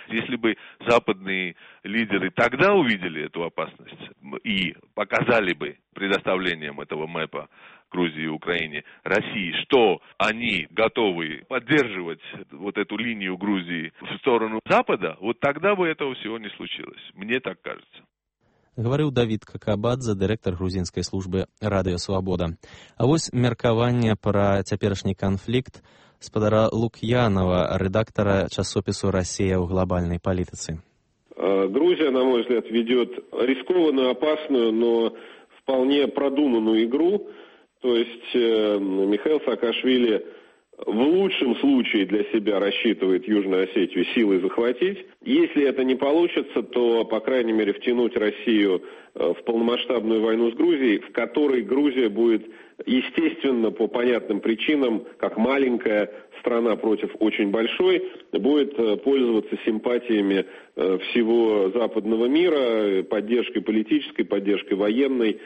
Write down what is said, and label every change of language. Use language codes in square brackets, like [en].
[ru] Если бы западные лидеры тогда увидели эту опасность и показали бы предоставлением этого МЭПа Грузии, Украине, России, что они готовы поддерживать вот эту линию Грузии в сторону Запада, вот тогда бы этого всего не случилось. Мне так кажется. [be] Гаварыў Давід Какабадзе, дырэктар грузінскай службы Радыё Свабода. А вось меркаванне пра цяперашні канфлікт спадара Лук'янава, рэдактара часопісу «Расія ў глабальнай палітыцы». [ru] Грузія, на мой взгляд, ведёт рискованную, опасную, но вполне продуманную игру. То есть Михаил Саакашвили в лучшем случае для себя рассчитывает Южную Осетию силой захватить. Если это не получится, то, по крайней мере, втянуть Россию в полномасштабную войну с Грузией, в которой Грузия будет, естественно, по понятным причинам, как маленькая страна против очень большой, будет пользоваться симпатиями всего западного мира, поддержкой политической, поддержкой военной.